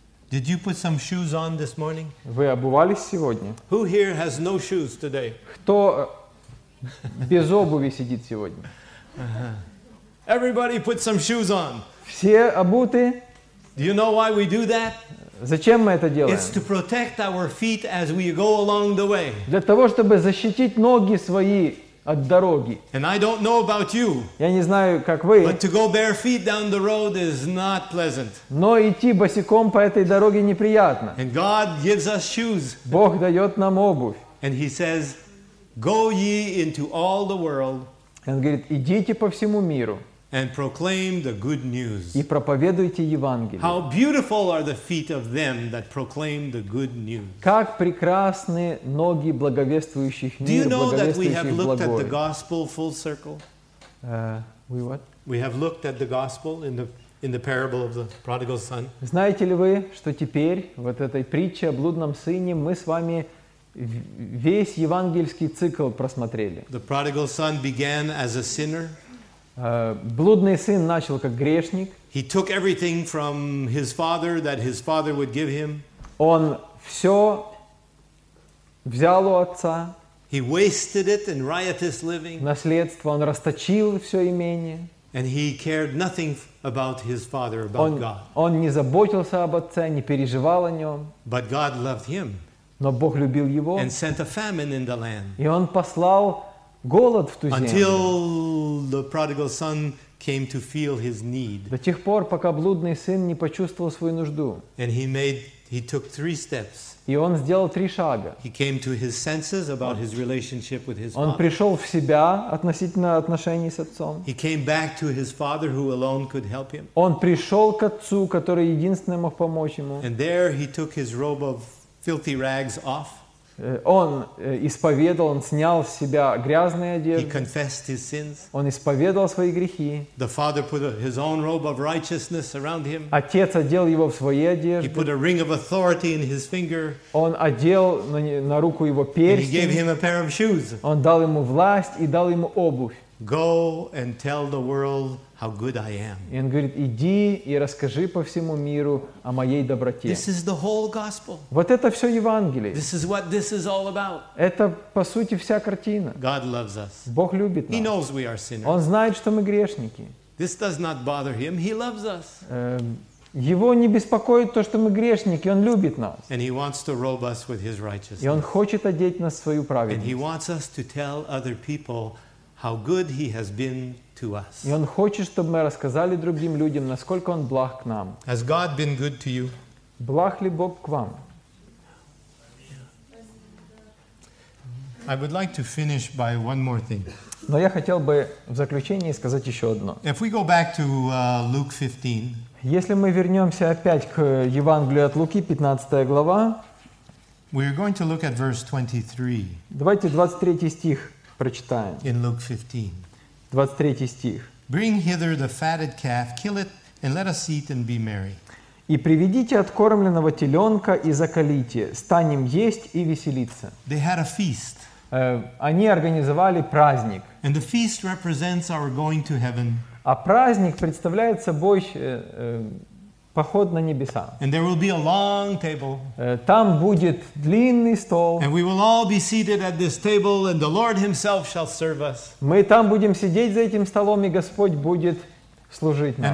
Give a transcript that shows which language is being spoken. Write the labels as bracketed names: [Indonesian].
[English] Did you put some shoes on this morning? [Russian] Вы обувались сегодня? [English] Who here has no shoes today? [Russian] Кто без обуви сидит сегодня? [English] Everybody put some shoes on. [Russian] Все обуты? [English] Do you know why we do that? [Russian] Зачем мы это делаем? [English] It's to protect our feet as we go along the way. [Russian] Для того, чтобы защитить ноги свои от дороги. [English] And I don't know about you. [Russian] Я не знаю, как вы. [English] But to go bare feet down the road is not pleasant. [Russian] Но идти босиком по этой дороге неприятно. [English] And God gives us shoes. [Russian] Бог дает нам обувь. [English] And he says, go ye into all the world. [Russian] И он говорит, идите по всему миру. [English] And proclaim the good news. [Russian] И проповедуйте Евангелие. [English] How beautiful are the feet of them that proclaim the good news. [Russian] Как прекрасны ноги благовествующих мир, благовествующих благое. [English] Do you know that we have looked at the gospel full circle? We what? We have looked at the gospel in the parable of the prodigal son. [Russian] Знаете ли вы, что теперь вот этой притче о блудном сыне мы с вами весь евангельский цикл просмотрели? [English] The prodigal son began as a sinner. [Russian] Блудный сын начал как грешник. [English] He took everything from his father that his father would give him. [Russian] Он все взял у отца. [English] He wasted it in riotous living. [Russian] Наследство, он расточил все имение. [English] And he cared nothing about his father, about God. [Russian] Он не заботился об отце, не переживал о нем. [English] But God loved him. [Russian] Но Бог любил его. [English] And sent a famine in the land. [Russian] И он послал голод в ту землю. [English] Until the prodigal son came to feel his need. [Russian] До тех пор, пока блудный сын не почувствовал свою нужду. [English] And he took three steps. [Russian] И он сделал три шага. [English] He came to his senses about his relationship with his father. [Russian] Он пришел в себя относительно отношений с отцом. [English] He came back to his father who alone could help him. [Russian] Он пришел к отцу, который единственный мог помочь ему. [English] And there he took his robe of filthy rags off. [Russian] Он исповедал, он снял с себя грязные одежды. [English] He confessed his sins. [Russian] Он исповедал свои грехи. [English] The father put his own robe of righteousness around him. [Russian] Отец одел его в свои одежды. [English] He put a ring of authority in his finger. [Russian] Он одел на руку его перстень. [English] And he gave him a pair of shoes. [Russian] Он дал ему власть и дал ему обувь. [English] Go and tell the world how good I am. [Russian] И он говорит, иди и расскажи по всему миру о моей доброте. [English] This is the whole gospel. [Russian] Вот это все Евангелие. [English] This is what this is all about. [Russian] Это, по сути, вся картина. [English] God loves us. [Russian] Бог любит нас. [English] He knows we are sinners. [Russian] Он знает, что мы грешники. [English] This does not bother him. He loves us. [Russian] Его не беспокоит то, что мы грешники. Он любит нас. [English] And he wants to robe us with his righteousness. [Russian] И он хочет одеть нас в свою праведность. [English] And he wants us to tell other people how good he has been to us. [Russian] И он хочет, чтобы мы рассказали другим людям, насколько он благ к нам. [English] Has God been good to you? [Russian] Благ ли Бог к вам? [English] I would like to finish by one more thing. [Russian] Но я хотел бы в заключении сказать еще одно. [English] If we go back to Luke 15. [Russian] Если мы вернемся опять к Евангелию от Луки, 15 глава. [English] We are going to look at verse 23. [Russian] Давайте 23 стих прочитаем. [English] In Luke 15. [Russian] 23 стих. [English] Bring hither the fatted calf, kill it, and let us eat and be merry. [Russian] И приведите откормленного теленка и закалите, станем есть и веселиться. [English] They had a feast. [Russian] Они организовали праздник. [English] And the feast represents our going to heaven. [Russian] А праздник представляет собой поход на небеса. [English] And there will be a long table. [Russian] Там будет длинный стол. [English] And we will all be seated at this table, and the Lord Himself shall serve us. [Russian] Мы там будем сидеть за этим столом, и Господь будет служить нам.